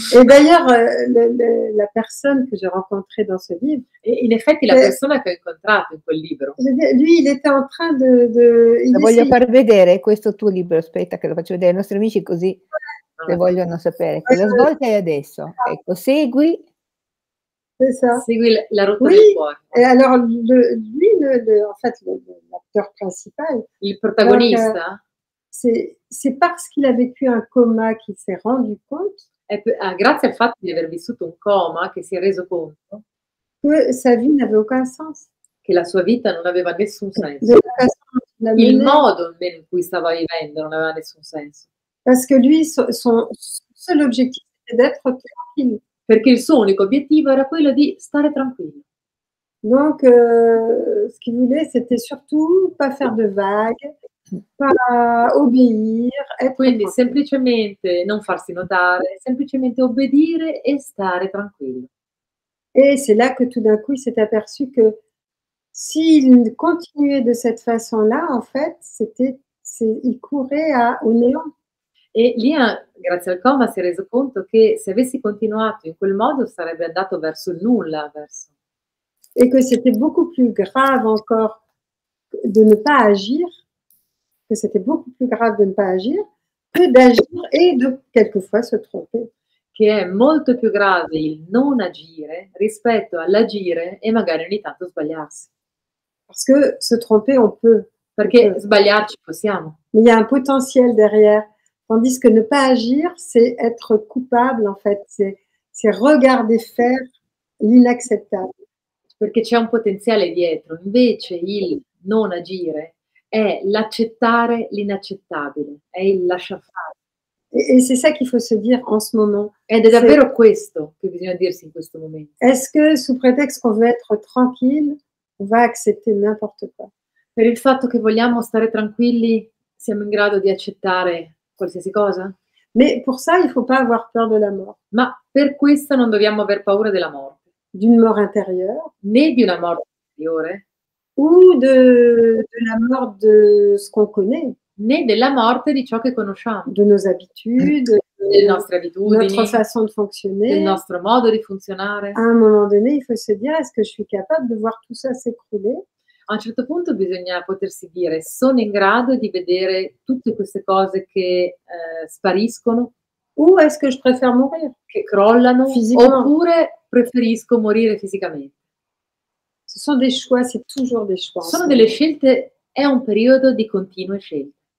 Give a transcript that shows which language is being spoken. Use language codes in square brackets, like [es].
[fr] Et d'ailleurs, la personne que j'ai rencontrée dans ce livre. Et en effet, la personne que j'ai rencontrée dans ce livre. Lui, il était en train de. [it] La voglio far vedere, questo tuo libro. Aspetta, che lo faccio vedere ai nostri amici, così se vogliono sapere. Que la svolta è adesso. Ecco, segui. [fr] C'est ça. [it] Segui la rotta [fr] oui. [it] Del cuore. [fr] Et alors, lui, en fait, l'acteur principal. [it] Il protagonista. Donc, [fr] C'est parce qu'il a vécu un coma qu'il s'est rendu compte. Grâce au fait d'avoir vécu un coma, qu'il s'est rendu compte que sa vie n'avait aucun sens. [it] Que la sua vita non aveva nessun senso. [fr] De la façon il menait. [it] Modo in cui stava vivendo non aveva nessun senso. [fr] Parce que lui, son seul objectif était d'être tranquille. [it] Perché il suo unico obiettivo era quello di stare tranquillo. [fr] Donc, ce qu'il voulait, c'était surtout pas faire de vagues. [it] Para obbedire e quindi semplicemente non farsi notare, semplicemente obbedire e stare tranquillo. [fr] E c'est là que tout d'un coup il s'est aperçu que s'il continuait de cette façon-là, en fait, il courait au néant. [it] E lì, grazie al coma, si è reso conto che se avessi continuato in quel modo sarebbe andato verso il nulla, verso. [fr] E che c'était beaucoup plus grave encore de ne pas agir. Que c'était beaucoup plus grave de ne pas agir que d'agir et de quelquefois se tromper. [it] Che è molto più grave il non agire rispetto all'agire e magari ogni tanto sbagliarsi. [fr] Parce que se tromper on peut. [it] Perché sbagliarci possiamo. [fr] Il y a un potentiel derrière. Tandis que ne pas agir c'est être coupable en fait, c'est regarder faire l'inacceptable. [it] Perché c'è un potenziale dietro, invece il non agire è l'accettare l'inaccettabile, è il lascia fare. [fr] E c'è ça qu'il faut se dire en ce moment. [it] Ed è davvero questo che bisogna dirsi in questo momento. [fr] Est-ce que sous prétexte qu'on veut être tranquille, on va accepter n'importe quoi? [it] Per il fatto che vogliamo stare tranquilli, siamo in grado di accettare qualsiasi cosa? [fr] Mais pour ça, il faut pas avoir peur de la mort. [it] Ma per questo non dobbiamo aver paura della morte. [fr] D'une mort intérieure. [it] Né di una morte interiore. [fr] Ou de la mort de ce qu'on connaît, [it] né della morte di ciò che conosciamo, [fr] de nos habitudes, [it] Le nostre abitudini, [fr] notre façon de fonctionner, [it] il nostro modo di funzionare. [fr] À un moment donné, il faut se dire, est-ce que je suis capable de voir tout ça s'écrouler? [it] A un certo punto bisogna potersi dire, sono in grado di vedere tutte queste cose che spariscono? [fr] Ou est-ce que je préfère mourir? [it] Che crollano? Fisicamente. Oppure preferisco morire fisicamente? [fr] Ce sont des choix, c'est toujours des choix. [it] Sono delle scelte, è un periodo di continue scelte.